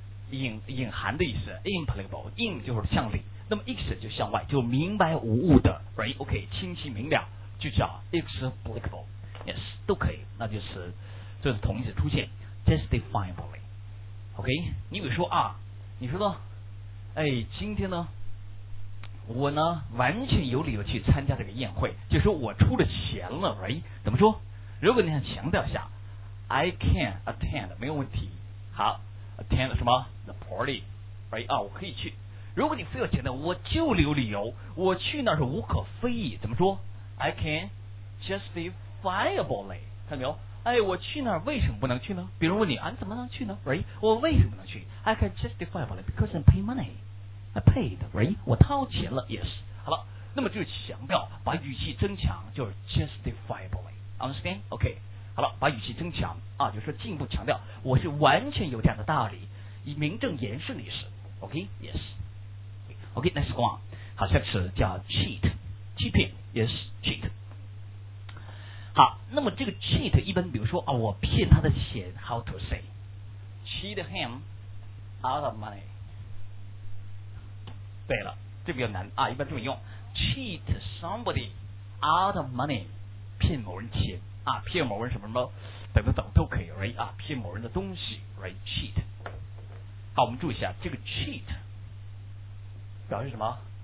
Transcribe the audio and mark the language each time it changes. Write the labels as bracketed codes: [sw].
[zh] 隐含的意思 ，implicable，in 就是向里，那么 ex 就向外，就明白无误的 ，right？OK，、okay, 清晰明了，就叫 explicable，yes， 都可以，那就是同义词出现 ，justifiably，OK？、Okay? 你比如说啊，你说呢？哎，今天呢，我呢完全有理由去参加这个宴会，就说我出了钱了 ，right？怎么说？如果你想强调一下。 [en] I can attend， [zh] 没有问题。好 ，attend 什么 ？ [en] The party， right？ [zh] 啊，我可以去。如果你非要强调，我就留理由，我去那是无可非议。怎么说 ？ [en] I can justifiably， [zh] 看到没有？哎，我去那为什么不能去呢？比如问你，啊，你怎么能去呢 ？Right？我为什么能去 [en] ？I can justifiably because I pay money， I paid， right？ [zh] 我掏钱了 ，yes。好了，那么就强调，把语气增强，就是 justifiably， understand？ [en] OK。 [zh] 好了，把语气增强啊，就是说进一步强调，我是完全有这样的道理，以名正言顺的意思。 [en] OK， yes， OK， next one， [zh] 好，下次叫 [en] cheat， 欺骗， yes， cheat。 [zh] 好，那么这个 cheat 一般比如说啊，我骗他的钱， [en] how to say， cheat him out of money。 [zh] 对了，这比较难啊，一般这么用， [en] cheat somebody out of money， [zh] 骗某人钱。啊，骗某人什么什么等等等都可以 ，right？ 啊，骗某人的东西 ，right？ [en] cheat。 [zh] 好，我们注意一下这个 cheat 表示什么？